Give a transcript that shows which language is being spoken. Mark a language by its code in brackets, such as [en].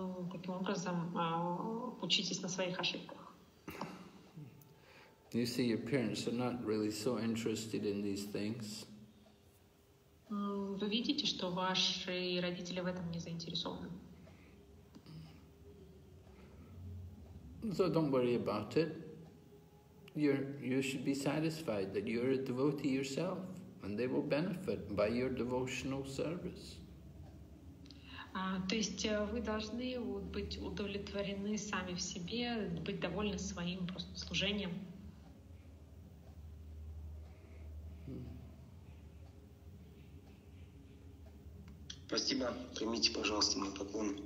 [ru] Таким образом, учитесь на своих ошибках. [en] You see, your parents are not really so interested in these things. [ru] Вы видите, что ваши родители в этом не заинтересованы. [en] So don't worry about it. You should be satisfied that you're a devotee yourself, and they will benefit by your devotional service. [ru] То есть вы должны быть удовлетворены сами в себе, быть довольны своим просто служением. Спасибо. Примите, пожалуйста, мой поклон.